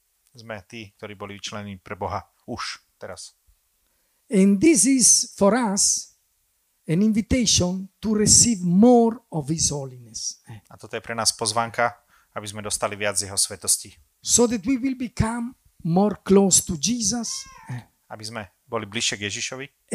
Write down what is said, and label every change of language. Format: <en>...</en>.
<sk>Sme tí, ktorí boli vyčlenení pre Boha už teraz.</sk> <en>And this is for us an invitation to receive more of his holiness.</en> <sk>A toto je pre nás pozvanka, aby sme dostali viac z jeho svätosti.</sk> <en>So that we will become more close to Jesus.</en> <sk>Aby sme boli bližšie k Ježišovi.</sk>